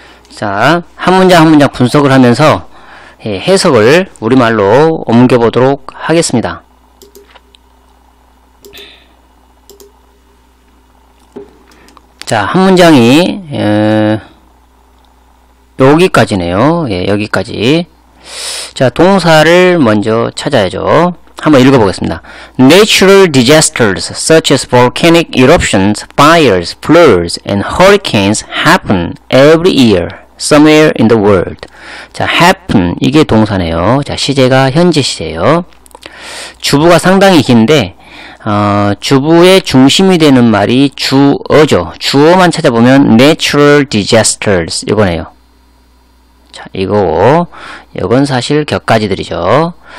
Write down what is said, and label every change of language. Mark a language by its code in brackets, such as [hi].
[ko] 자, 한 문장 한 문장 분석을 하면서 해석을 우리말로 옮겨보도록 하겠습니다. 자, 한 문장이 여기까지네요. 예, 여기까지. 자, 동사를 먼저 찾아야죠. 한번 읽어보겠습니다. [en] Natural disasters such as volcanic eruptions, fires, floods, and hurricanes happen every year somewhere in the world. [ko] 자, happen 이게 동사네요. 자, 시제가 현재 시제예요. 주부가 상당히 긴데. 주부의 중심이 되는 말이 주어죠. 주어만 찾아보면 [en] natural disasters [ko] 이거네요. 자, 이거 이건 사실 격가지들이죠.